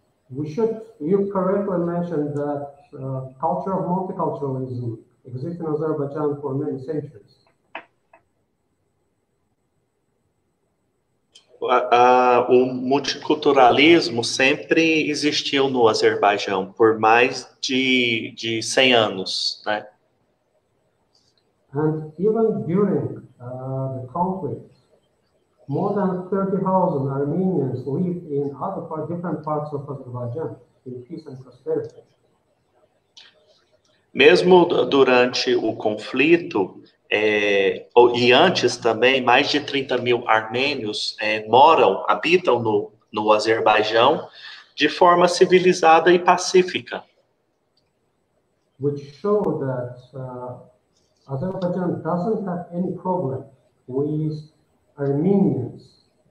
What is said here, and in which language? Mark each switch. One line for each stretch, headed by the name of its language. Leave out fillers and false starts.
English: We should, you correctly mentioned that culture of multiculturalism exists in Azerbaijan for many centuries.
Portuguese: O multiculturalismo sempre existiu no Azerbaijão por mais de 100 anos, né?
English: And even during the conflict, more than 30,000 Armenians live in other parts, different parts of Azerbaijan in peace and prosperity.
Portuguese: Mesmo durante o conflito, e antes também, mais de 30 mil armênios moram, habitam no Azerbaijão de forma civilizada e pacífica.
English: Which show that Azerbaijan doesn't have any problem with Armenians.